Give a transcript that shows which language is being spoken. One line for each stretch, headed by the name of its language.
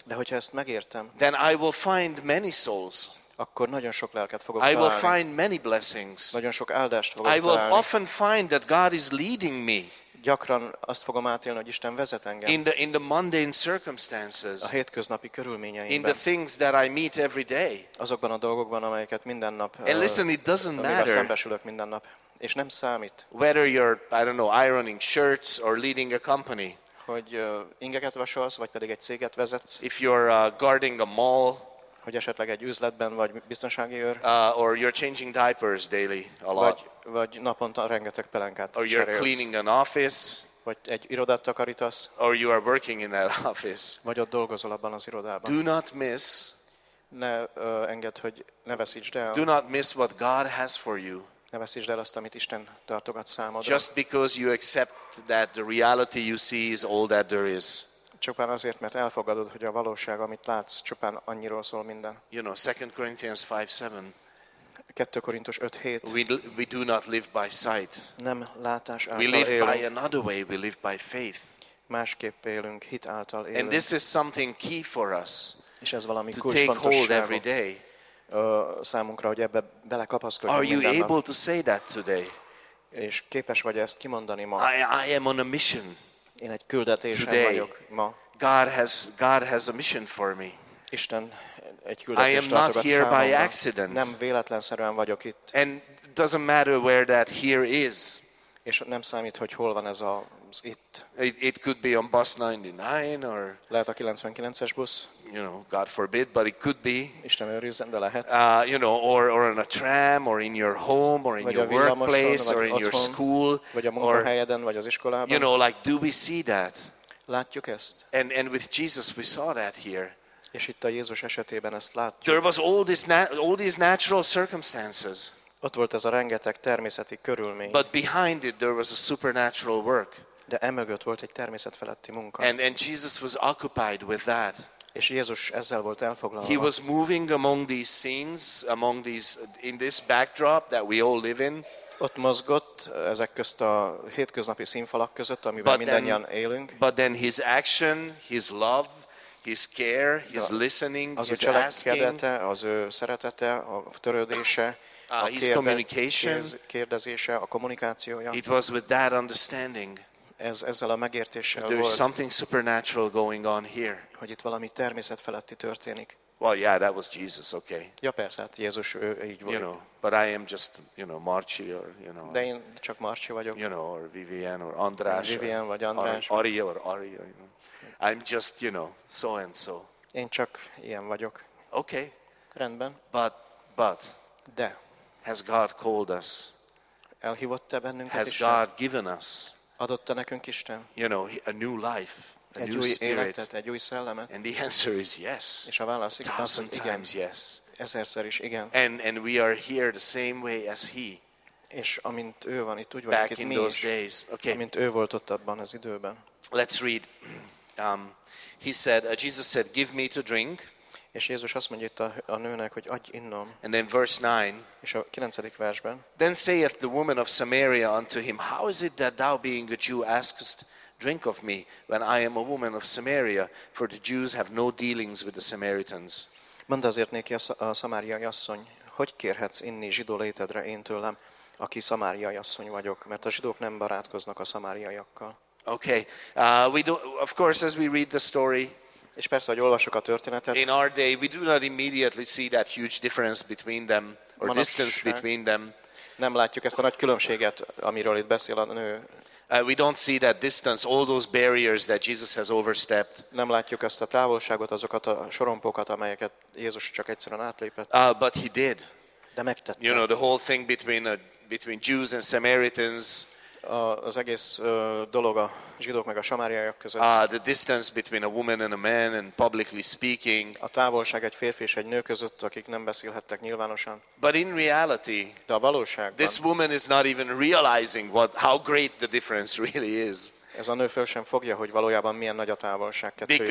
Hungarian: de hogyha ezt megértem,
English: then I will find many souls.
Hungarian: Akkor nagyon sok lelket fogok
English: I
Hungarian: találni.
English: I will find many blessings.
Hungarian: Nagyon sok áldást fogok
English: I will
Hungarian: találni.
English: Often find that God is leading me.
Hungarian: Gyakran azt fogom átélni, hogy Isten vezet engem.
English: In the mundane circumstances.
Hungarian: A hétköznapi körülményeimben.
English: In the things that I meet every day.
Hungarian: Azokban a dolgokban, amelyeket minden nap.
English: And listen, it doesn't matter.
Hungarian: Szembesülök minden nap. És nem számít.
English: Whether you're, I don't know, ironing shirts or leading a company.
Hungarian: Hogy ingeket vasolsz, vagy pedig egy céget vezetsz.
English: If you're guarding a mall.
Hungarian: Hogy esetleg egy üzletben vagy biztonsági őr.
English: Or you're changing diapers daily a lot.
Hungarian: Vagy naponta rengeteg pelenkát cserélsz.
English: Or you're cleaning an office.
Hungarian: Vagy egy irodát takarítasz.
English: Or you are working in that office.
Hungarian: Vagy ott dolgozol abban az irodában.
English: Do not miss.
Hungarian: Ne engedd, hogy ne veszítsd el.
English: Do not miss what God has for you.
Hungarian: Ne veszítsd el azt, amit Isten tartogat számodra.
English: Just because you accept that the reality you see is all that there is.
Hungarian: Csupán azért, mert elfogadod, hogy a valóság, amit látsz, csupán annyiról szól minden.
English: You know, 2 Corinthians 5:7.
Hungarian: 2 Korintus 5:7.
English: We do not live by sight.
Hungarian: Nem látás által élünk.
English: We live by another way, we live by faith.
Hungarian: Másképp élünk, hit által élünk.
English: And this is something key for us.
Hungarian: És ez valami kulcsfontosságú.
English: To take hold every day.
Hungarian: Számunkra, hogy ebbe belekapaszkodjunk mindenben.
English: Are you able to say that today?
Hungarian: És képes vagy ezt kimondani ma?
English: I am on a mission.
Hungarian: Én egy küldetésen vagyok ma.
English: God has a mission for me.
Hungarian: Isten egy küldetést tartogat számomra.
English: I am not here by accident.
Hungarian: Nem véletlenszerűen vagyok itt.
English: And doesn't matter where that here is.
Hungarian: És nem számít, hogy hol van ez az itt.
English: It could be on bus 99 or
Hungarian: lehet a 99-es busz.
English: You know, God forbid, but it could be.
Hungarian: Isten őrizzen, de lehet.
English: You know, or on a tram, or in your home, or in
Hungarian: vagy
English: your workplace, or in
Hungarian: otthon,
English: your school,
Hungarian: vagy a munkahelyeden, vagy az iskolában.
English: You know, like, do we see that?
Hungarian: Látjuk ezt.
English: And with Jesus, we saw that here.
Hungarian: És itt a Jézus esetében ezt látjuk.
English: There was all these natural circumstances.
Hungarian: Ott volt ez a rengeteg természeti körülmény.
English: But behind it there was a supernatural work.
Hungarian: De emögött volt egy természetfeletti munka.
English: And Jesus was occupied with that.
Hungarian: És Jézus ezzel volt elfoglalva.
English: He was moving among these scenes, among these in this backdrop that we all live in.
Hungarian: Ott mozgott ezek közt a hétköznapi színfalak között, amiben mindannyian élünk.
English: But then his action, his love, his care, his listening,
Hungarian: az
English: his asking,
Hungarian: az ő szeretete, a törődése.
English: His communication,
Hungarian: kérdezése, a kommunikációja.
English: It was with that understanding.
Hungarian: Ezzel a megértéssel volt.
English: There is something supernatural going on here.
Hungarian: Hogy itt valami természetfeletti történik.
English: Well, yeah, that was Jesus, okay.
Hungarian: Ja, persze, hát Jézus ő így volt.
English: You know, but I am just, you know, Marci or, you know.
Hungarian: De én csak Marci vagyok.
English: You know, or Vivian or András.
Hungarian: Vivian vagy András.
English: Ari, you know. I'm just, you know, so and so.
Hungarian: Én csak ilyen vagyok.
English: Okay.
Hungarian: Rendben.
English: But.
Hungarian: De.
English: Has God called us?
Hungarian: Elhívott-e bennünket
English: Has
Hungarian: Isten?
English: God given us?
Hungarian: Adott-e nekünk Isten?
English: You know, a new life, a
Hungarian: egy
English: new
Hungarian: új
English: spirit.
Hungarian: Életet, egy új szellemet.
English: And the answer is yes.
Hungarian: És a válasz igen.
English: Thousand times yes.
Hungarian: Ezerszer is igen.
English: And we are here the same way as he.
Hungarian: És amint ő van itt, úgy vagyunk itt mi
English: those
Hungarian: is.
English: Days. Okay.
Hungarian: Amint ő volt ott abban az időben.
English: Let's read. He said, Jesus said, give me to drink.
Hungarian: És Jézus azt mondja itt a nőnek, hogy adj innom.
English: And in verse 9.
Hungarian: És a 9. versben.
English: Then saith the woman of Samaria unto him, how is it that thou being a Jew askest drink of me when I am a woman of Samaria, for the Jews have no dealings with the Samaritans.
Hungarian: Mondd azért néki a szamáriai asszony, hogy kérhetsz inni zsidó létedre én tőlem, aki szamáriai asszony vagyok, mert a zsidók nem barátkoznak a szamáriaiakkal.
English: Okay. We do, of course, as we read the story.
Hungarian: És persze, hogy olvasok a történetet.
English: In our day, we do not immediately see that huge difference between them or distance between them.
Hungarian: Nem látjuk ezt a nagy különbséget, amiről itt beszél a nő.
English: We don't see that distance, all those barriers that Jesus has overstepped.
Hungarian: Nem látjuk ezt a távolságot, azokat a sorompókat, amelyeket Jézus csak egyszerűen átlépett.
English: But he did.
Hungarian: De megtette.
English: You know, the whole thing between Jews and Samaritans.
Hungarian: Az egész dolog a zsidók meg a samáriaiak között.
English: The distance between a woman and a man and publicly speaking.
Hungarian: A távolság egy férfi és egy nő között, akik nem beszélhettek nyilvánosan.
English: But in reality,
Hungarian: de a valóságban,
English: this woman is not even realizing what how great the difference really is.
Hungarian: Ez a nő föl sem fogja, hogy valójában milyen nagy a távolság kettőjük